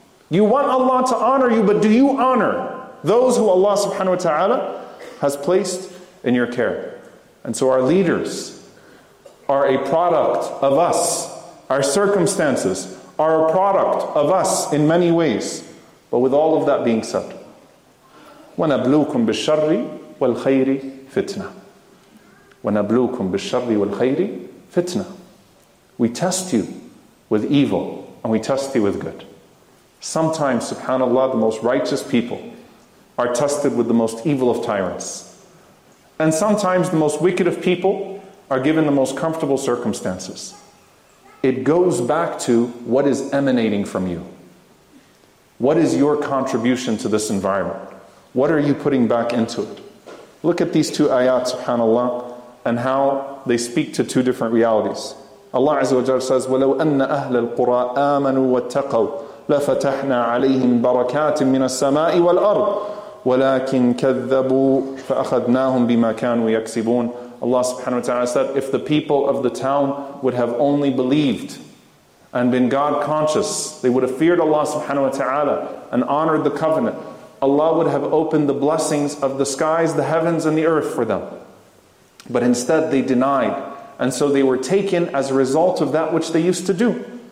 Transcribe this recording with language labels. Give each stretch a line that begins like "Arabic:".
English: You want Allah to honor you, but do you honor those who Allah subhanahu wa ta'ala has placed in your care? And so our leaders are a product of us. Our circumstances are a product of us in many ways. But with all of that being said,
Arabic: وَنَبْلُوكُمْ بِالشَّرِّ وَالْخَيْرِ فِتْنَةً وَنَبْلُوكُمْ بِالشَّرِّ وَالْخَيْرِ فِتْنَةً.
English: We test you with evil and we test you with good. Sometimes, subhanAllah, the most righteous people are tested with the most evil of tyrants. And sometimes the most wicked of people are given the most comfortable circumstances. It goes back to what is emanating from you. What is your contribution to this environment? What are you putting back into it? Look at these two ayat, subhanAllah, and how they speak to two different realities. Allah Azza wa Jalla says,
Arabic: وَلَوْ أَنَّ أَهْلَ الْقُرَىٰ آمَنُوا وَاتَّقَوْا لَفَتَحْنَا عَلَيْهِمْ بَرَكَاتٍ مِّنَ السَّمَاءِ وَالْأَرْضِ وَلَكِنْ كَذَّبُوا فَأَخَذْنَاهُمْ بِمَا كَانُوا يَكْسِبُونَ.
English: Allah subhanahu wa ta'ala said, if the people of the town would have only believed and been God conscious, they would have feared Allah subhanahu wa ta'ala and honored the covenant, Allah would have opened the blessings of the skies, the heavens, and the earth for them. But instead they denied. And so they were taken as a result of that which they used to do.